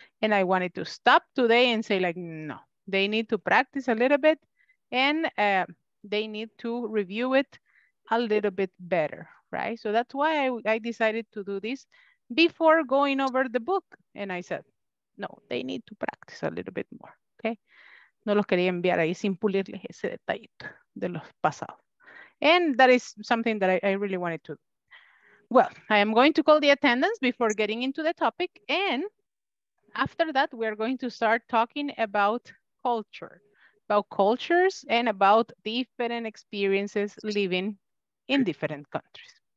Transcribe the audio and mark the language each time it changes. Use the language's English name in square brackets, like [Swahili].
[English] And I wanted to stop today and say like, no, they need to practice a little bit and they need to review it a little bit better, right? So that's why I decided to do this before going over the book. And I said, no, they need to practice a little bit more, okay? [Spanish] No los quería enviar ahí sin pulirles ese detallito de los pasados. [English] And that is something that I really wanted to do. Well, I am going to call the attendance before getting into the topic. And after that, we are going to start talking about culture, about cultures and about different experiences living in different countries.